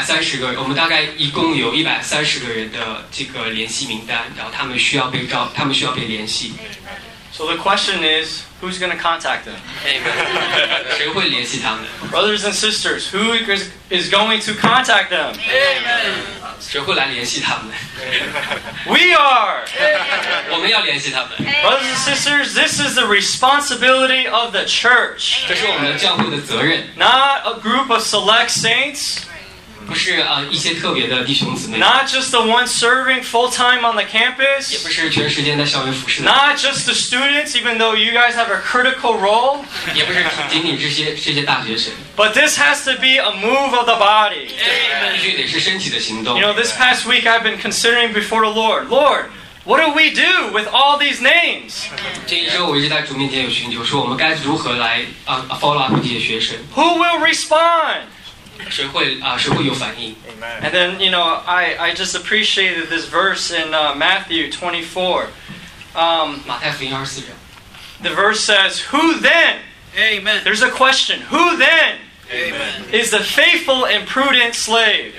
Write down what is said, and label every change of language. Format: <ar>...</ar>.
<zh>130个，我们大概一共有130个人的这个联系名单，然后他们需要被联系。</zh> <en>So the question is, who's going to contact them? Amen.</en> <zh>谁会联系他们？</zh> <en>Brothers and sisters, who is going to contact them? Amen.</en> <zh>谁会来联系他们？</zh> <en>We are.</en> <zh>我们要联系他们。</zh> <en>Brothers and sisters, this is the responsibility of the church.</en> <zh>这是我们教会的责任。</zh> <en>Not a group of select saints.</en> <zh>不是一些特别的弟兄姊妹。</zh> <en>Not just the ones serving full time on the campus.</en> <zh>也不是全时间在校园服侍的。</zh> <en>Not just the students, even though you guys have a critical role.</en> <zh>也不是仅仅这些大学生。</zh> <en>But this has to be a move of the body.</en> <zh>必须得是身体的行动。</zh> <en>You know, this past week I've been considering before the Lord. Lord, what do we do with all these names?</en> <zh>这一周我一直在主面前有寻求，说我们该如何来</zh> <en>follow up</en> <zh>这些学生。</zh> <en>Who will respond?</en> <zh>谁会有反应？</zh> <en>Amen. And then, you know, I just appreciated this verse in Matthew 24.</en> <zh>马太福音24章。</zh> <en>The verse says, who then? Amen. There's a question. Who then? Amen. Is the faithful and prudent slave?</en>